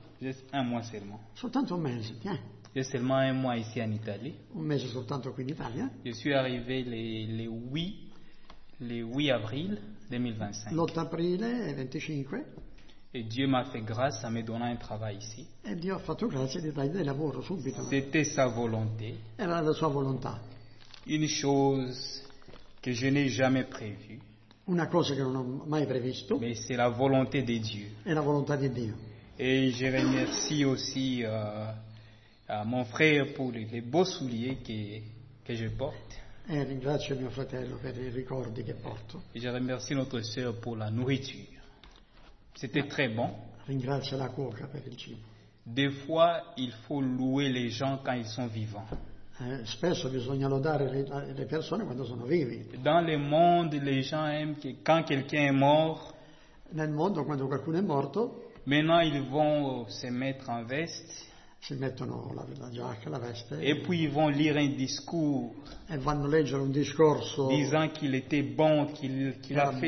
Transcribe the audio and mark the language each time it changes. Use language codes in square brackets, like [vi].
[fr] Yes, un mois seulement. [it] Soltanto un mese, tiens. [fr] J'ai seulement un mois ici en Italie. [it] Un mese soltanto qui in Italia. [fr] Je suis arrivé le 8 avril 2025. [it] L'8 aprile 25. [fr] Et Dieu m'a fait grâce en me donnant un travail ici. [it] Et Dieu a fatto grazie di dare del lavoro subito. [fr] C'était sa volonté. [it] Era la sua volontà. [fr] Une chose que je n'ai jamais prévue. [it] Una cosa che non ho mai previsto. [fr] Mais c'est la volonté de Dieu. [it] È la volontà di Dio. [fr] Et je remercie aussi à mon frère pour les beaux souliers que je porte. [it] E ringrazio mio fratello per i ricordi che porto. [fr] Et je remercie notre sœur pour la nourriture. C'était très bon. [it] Ringrazio la cuoca per il cibo. [fr] Des fois, il faut louer les gens quand ils sont vivants. [it] Spesso bisogna lodare le persone quando sono vivi. [fr] Dans le monde, les gens aiment que quand quelqu'un est mort. [it] Nel mondo, quando qualcuno è morto. [fr] Maintenant, ils vont se mettre en veste. [it] Si mettono la giacca, la veste. [fr] Et puis, ils vont lire un discours. [it] E vanno a leggere un discorso. [fr] Disant qu'il était bon, qu'il a fait